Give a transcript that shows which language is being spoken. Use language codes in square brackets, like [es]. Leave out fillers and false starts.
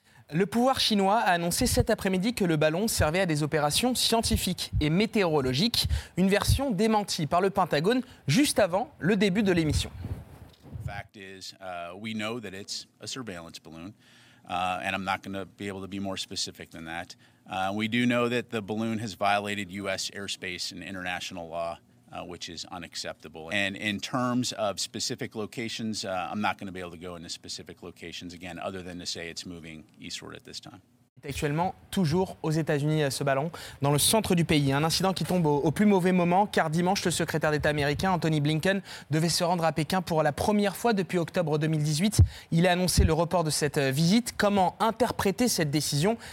[fr] Le pouvoir chinois a annoncé cet après-midi que le ballon servait à des opérations scientifiques et météorologiques, une version démentie par le Pentagone juste avant le début de l'émission. [en] The fact is, we know that it's a surveillance balloon, and I'm not going to be able to be more specific than that. We do know that the balloon has violated U.S. airspace and international law, which is unacceptable. And in terms of specific locations, I'm not going to be able to go into specific locations again, other than to say it's moving eastward at this time. [fr] Actuellement, toujours aux États-Unis, ce ballon, dans le centre du pays. Un incident qui tombe au plus mauvais moment, car dimanche, le secrétaire d'État américain, Anthony Blinken, devait se rendre à Pékin pour la première fois depuis octobre 2018. Il a annoncé le report de cette visite. Comment interpréter cette décision?